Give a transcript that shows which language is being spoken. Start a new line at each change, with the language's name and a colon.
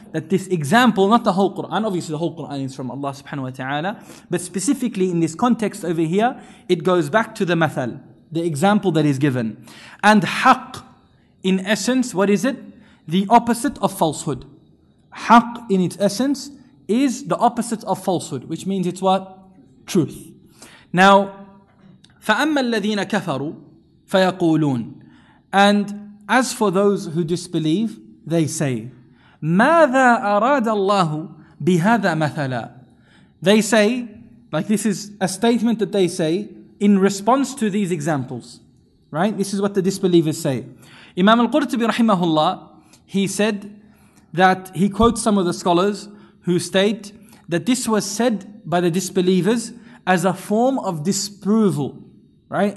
English: That this example, not the whole Quran, obviously the whole Quran is from Allah subhanahu wa ta'ala, but specifically in this context over here, it goes back to the mathal, the example that is given. And haqq, in essence, what is it? The opposite of falsehood. Haqq, in its essence, is the opposite of falsehood, which means it's what? Truth. Now,
Arabic: فَأَمَّا الَّذِينَ كَفَرُوا فَيَقُولُونَ.
English: And as for those who disbelieve, they say,
Arabic: ماذا أراد الله بهذا مثلا.
English: They say, like this is a statement that they say in response to these examples, right? This is what the disbelievers say. Imam Al-Qurtubi rahimahullah, he said that he quotes some of the scholars who state that this was said by the disbelievers as a form of disapproval, right?